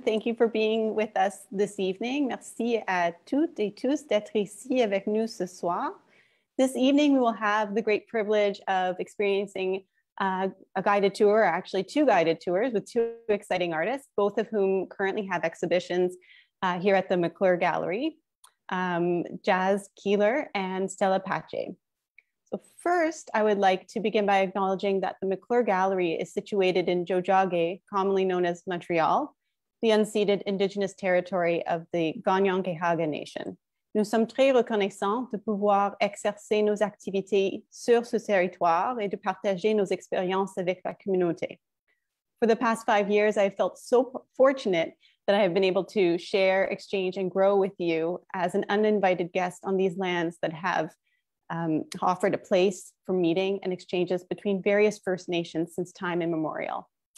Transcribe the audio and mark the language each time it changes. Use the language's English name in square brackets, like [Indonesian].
[English] Thank you for being with us this evening. [French] Merci à toutes et tous d'être ici avec nous ce soir. [English] This evening, we will have the great privilege of experiencing a guided tour, actually two guided tours with two exciting artists, both of whom currently have exhibitions here at the McClure Gallery, Jazz Keillor and Stella Pace. So first, I would like to begin by acknowledging that the McClure Gallery is situated in Jojage, commonly known as Montreal, the unceded indigenous territory of the Gagnon-Quehaga Nation. [French] Nous sommes très reconnaissants de pouvoir exercer nos activités sur ce territoire et de partager nos expériences avec la communauté. [English] For the past 5 years, I have felt so fortunate that I have been able to share, exchange, and grow with you as an uninvited guest on these lands that have offered a place for meeting and exchanges between various First Nations since time immemorial.